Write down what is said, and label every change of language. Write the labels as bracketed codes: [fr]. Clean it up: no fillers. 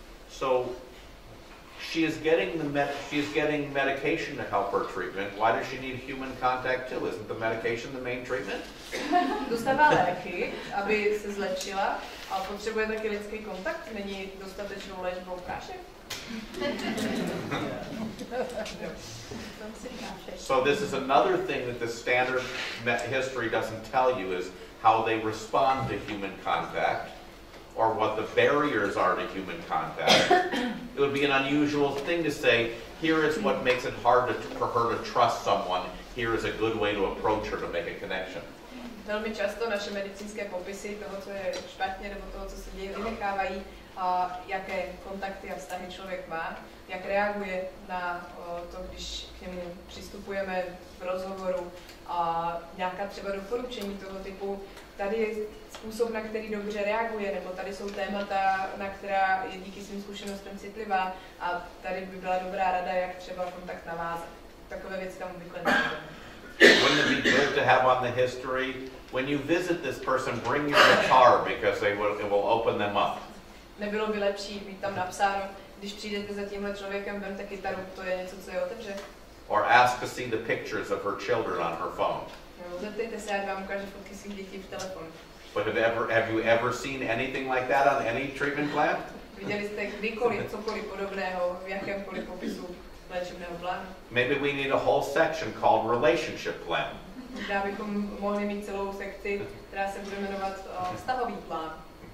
[en] So she is getting medication to help her treatment. Why does she need human contact too? Isn't the medication the main treatment? [cs] Dostává léky, aby se zlepšila, ale potřebuje taky lidský kontakt. Není dostatečnou léčbou prášek? [en] So this is another thing that the standard history doesn't tell you is how they respond to human contact or what the barriers are to human contact. It would be an unusual thing to say, here is what makes it hard for her to trust someone, here is a good way to approach her to make a connection. [cs] Velmi často naše medicínské popisy toho, co je špatně nebo toho, co se děje, vynechávají, jaké kontakty a vztahy člověk má, jak reaguje na to, když k němu přistupujeme v rozhovoru, nějaká třeba doporučení toho typu, tady je způsob, na který dobře reaguje, nebo tady jsou témata, na která je díky svým zkušenostem citlivá a tady by byla dobrá rada, jak třeba kontakt navázat. Takové věci tam obvykle [en] Wouldn't it be good to have on the history? When you visit this person, bring your guitar because it will open them up. [cs] Nebylo by lepší být tam napsáno, když přijdete za tímhle člověkem, vemte kytaru, to je něco, co je otevře. [en] Or ask to see the pictures of her children on her phone. [cs] No, zeptejte se, ať vám ukáže fotky svých dětí v telefonu. [en] But have you ever seen anything like that on any treatment plan? [cs] Viděli jste kdykoliv, cokoliv podobného, v jakémkoliv popisu léčebného plánu? [en] Maybe we need a whole section called relationship plan. [cs] Možná bychom mohli mít celou sekci, která se bude jmenovat vztahový plán.